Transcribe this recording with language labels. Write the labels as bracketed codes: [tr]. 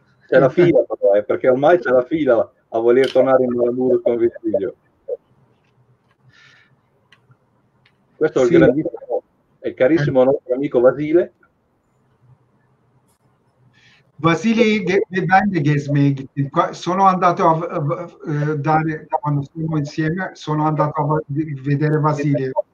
[it] C'è la fila, perché ormai c'è la fila a voler tornare in Maramures con Virgilio. Questo è il grandissimo e carissimo nostro amico Vasile. [tr] Vasile, ben de gezmeye gittim. [it] Sono andato a dare quando siamo insieme, sono andato a vedere Vasile.